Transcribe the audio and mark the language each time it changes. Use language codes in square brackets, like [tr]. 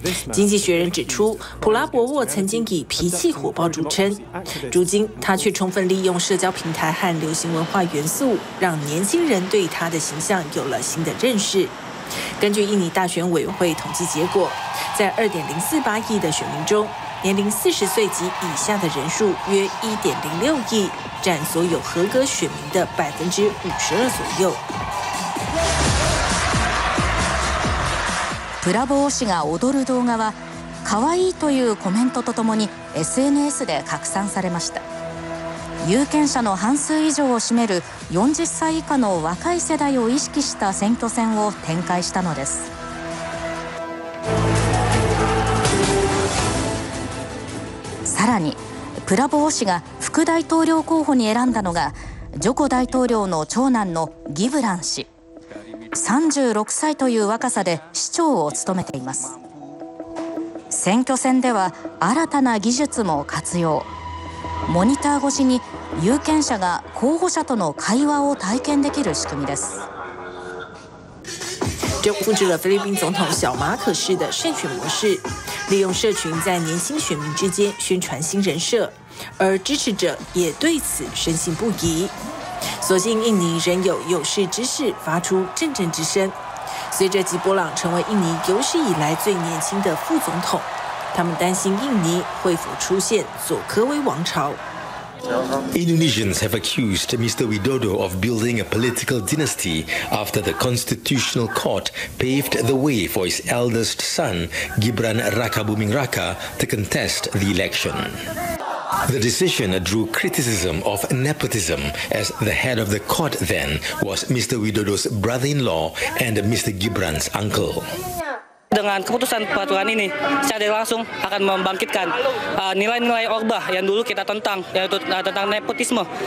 [zh] 经济学人指出，普拉博沃曾经以脾气火爆著称，如今他却充分利用社交平台和流行文化元素，让年轻人对他的形象有了新的认识。根据印尼大选委员会统计结果，在 2.048 亿的选民中，年龄40岁及以下的人数约 1.06 亿，占所有合格选民的 52% 左右。 [ja] ブラボー氏が踊る動画は可愛いというコメントとともに SNS で拡散されました。有権者の半数以上を占める40歳以下の若い世代を意識した選挙戦を展開したのです。さらにプラボー氏が副大統領候補に選んだのがジョコ大統領の長男のギブラン氏。 36歳という若さで市長を務めています。選挙戦では新たな技術も活用、モニター越しに有権者が候補者との会話を体験できる仕組みです。 [zh] 就复制了菲律宾总统小马可氏的胜选模式，利用社群在年轻选民之间宣传新人设，而支持者也对此深信不疑。所幸印尼仍有有识之士发出阵阵之声，随着吉波朗成为印尼有史以来最年轻的副总统，他们担心印尼会否出现佐科威王朝。 [en] Indonesians have accused Mr. Widodo of building a political dynasty after the Constitutional Court paved the way for his eldest son, Gibran Rakabuming Raka, to contest the election. The decision drew criticism of nepotism, as the head of the court then was Mr. Widodo's brother-in-law and Mr. Gibran's uncle. [id] Dengan keputusan peraturan ini secara langsung akan membangkitkan nilai-nilai Orba yang dulu kita tentang, yaitu tentang nepotisme.